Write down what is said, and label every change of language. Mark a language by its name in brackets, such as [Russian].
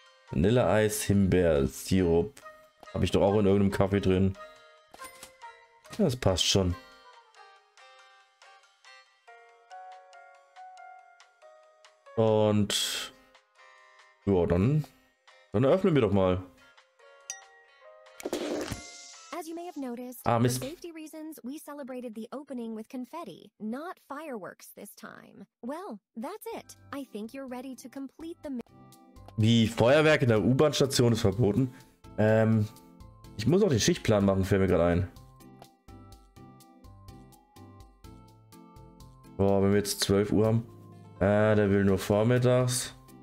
[German] Vanille Eis, Himbeer, Sirup. Habe ich doch auch in irgendeinem Kaffee drin. Das passt schon. Und. Ja, dann öffnen wir doch mal. [English] As you may have noticed, ah, Mist. For safety reasons, we celebrated the opening with confetti, not fireworks this time. Well, that's it. I think you're ready to complete the... [German] Wie Feuerwerk in der U-Bahn-Station ist verboten. Ich muss auch den Schichtplan machen, fällt mir gerade ein. Boah, wenn wir jetzt 12 Uhr haben. Der will nur vormittags.